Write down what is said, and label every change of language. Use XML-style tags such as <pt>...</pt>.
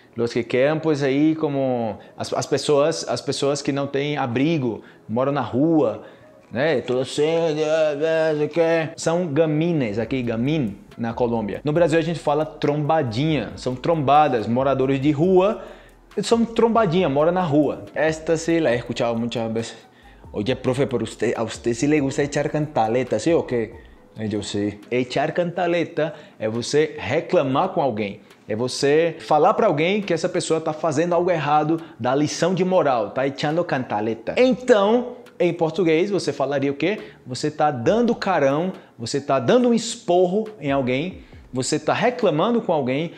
<pt>Los que querem, pois, aí como as pessoas que não têm abrigo, moram na rua, né? Tudo assim, não que. São gamines aqui, gamin, na Colômbia. No Brasil a gente fala trombadinha. São trombadas, moradores de rua. Eles são trombadinha, mora na rua.</pt> <es>Esta sim, la he escuchado muchas veces. Oye, profe, pero a usted sí le gusta echar cantaleta, sí o qué?</es> <pt>Eu sei. Echar cantaleta é você reclamar com alguém. É você falar para alguém que essa pessoa tá fazendo algo errado, dá lição de moral, tá echando cantaleta. Então, em português, você falaria o quê? Você tá dando carão, você tá dando um esporro em alguém, você tá reclamando com alguém.</pt>